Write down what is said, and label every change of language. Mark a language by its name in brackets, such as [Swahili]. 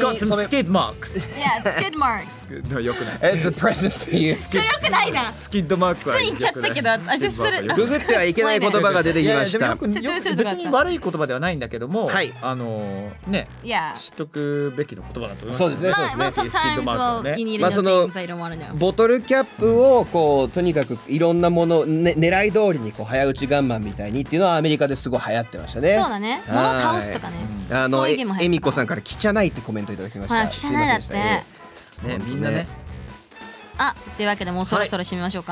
[English] It's got some skid marks. Yeah, skid marks. [Japanese] No, 良くない。 [English] It's a present for you. [Japanese] それ良くないな。スキッドマークは良くない。普通言っちゃったけど、ググってはいけない言葉が出てきました。別に悪い言葉ではないんだけども、はい、ね、 yeah. 知っとくべきの言葉だと思います。そうですね、そうですね。 [English] まあ、sometimes we'll, you need to know things I don't want to know. [Japanese] ボトルキャップをこうとにかくいろんなもの、ね、狙い通りにこう早打ちガンマンみたいにっていうのはアメリカですごい流行ってましたね。そうだね。物を倒すとかね。あのエミコさんからキチャナイってコメントいただきました。ほらキチャナイだって、ね、みんなね。あ、というわけでもうそろそろ締めましょうか。